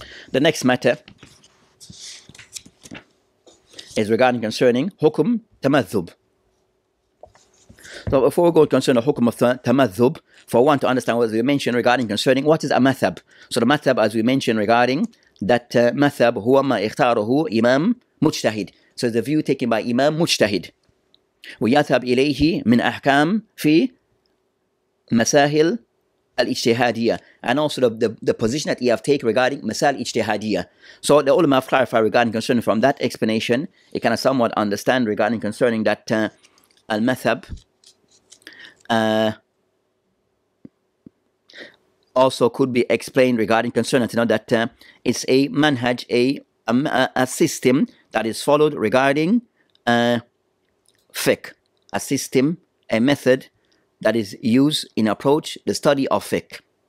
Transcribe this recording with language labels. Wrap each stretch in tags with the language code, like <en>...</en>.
<en>The next matter is concerning hukum tamadhub. So before we go to concern the hukum of tamadhub, for one to understand what we mentioned concerning what is a mazhab. So the mazhab, as we mentioned regarding that mazhab,</en> <ar>huwa ma ikhtaruhu imam mujtahid.</ar> <en>So the view taken by imam mujtahid.</en> <ar>ويذهب إليه من أحكام في مسائل الاجتهادية.</ar> <en>And also the position that he have taken regarding</en> <ar>مسائل الاجتهادية.</ar> <en>So the ulama have clarified regarding concerning from that explanation, it can somewhat understand regarding concerning that al-mathab. Also could be explained regarding concerning that it's a manhaj, a system that is followed regarding fiqh, a system, a method that is used in approach the study of fiqh.</en>